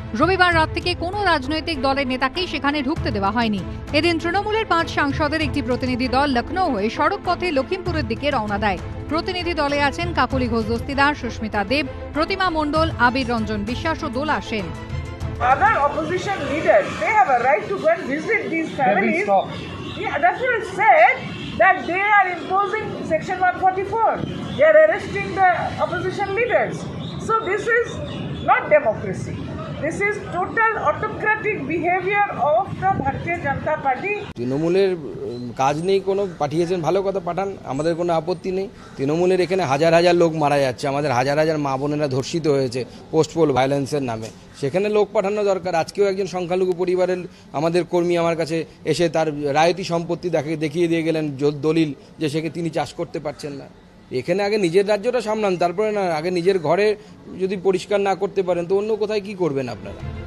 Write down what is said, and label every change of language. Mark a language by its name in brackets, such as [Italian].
[Bangla] রবিবার রাত থেকে কোনো রাজনৈতিক দলের নেতাকেই সেখানে ঢুকতে দেওয়া হয়নি। এদিন তৃণমূলের 5 সাংসদের একটি প্রতিনিধি দল লখনৌ হয়ে সড়ক পথে লখিমপুরের দিকে রওনা দেয়। প্রতিনিধি দলে আছেন কাকলি ঘোষ দস্তিদার, সুস্মিতা দেব, প্রতিমা মণ্ডল, আবির রঞ্জন বিশ্বাস ও দোলা Sen. [English] other opposition leaders, they have a right to go and visit these families. The official said that they are imposing Section 144. They are arresting the opposition leaders. So this is not democracy. This is total autocratic behavior of the Bharatiya Janata Party. [Bangla] Trinamooler কাজ নেই কোনো পাঠিয়েছেন ভালো কথা পাঠান আমাদের কোনো আপত্তি নেই তৃণমূলের এখানে হাজার হাজার লোক মারা যাচ্ছে আমাদের হাজার হাজার মা বোনেরা ধর্ষিত হয়েছে পোস্টপোল ভায়োলেন্সের নামে সেখানে লোক পাঠানো দরকার আজকেও একজন সংখ্যালঘু পরিবারের আমাদের কর্মী আমার কাছে এসে তার রায়তী সম্পত্তি দেখিয়ে দিয়ে গেলেন দলিল যে সেকে তিনি চাষ করতে পারছেন না এখানে আগে নিজের রাজ্যটা সামলান তারপরে না আগে নিজের ঘরে যদি পরিষ্কার না করতে পারেন তো অন্য কোথায় কি করবেন আপনারা